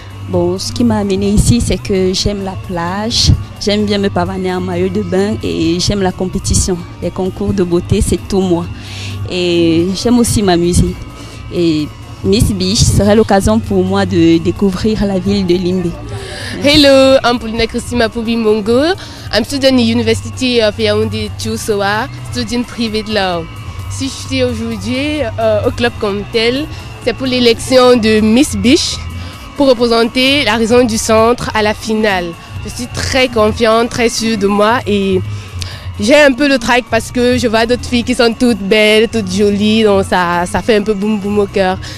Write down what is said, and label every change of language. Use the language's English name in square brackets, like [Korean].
[French] Bon, ce qui m'a amenée ici, c'est que j'aime la plage, j'aime bien me pavaner en maillot de bain et j'aime la compétition. Les concours de beauté, c'est tout moi. Et j'aime aussi m'amuser. Et Miss Beach serait l'occasion pour moi de découvrir la ville de Limbé. [English] Hello, I'm Paulina Christine Mapubimongo. I'm student at University of Yaoundé Tchoussoa, student private law. [French] Si je suis aujourd'hui au club comme tel, c'est pour l'élection de Miss Beach pour représenter la région du centre à la finale. Je suis très confiante, très sûre de moi et j'ai un peu le trac parce que je vois d'autres filles qui sont toutes belles, toutes jolies, donc ça fait un peu boum boum au cœur.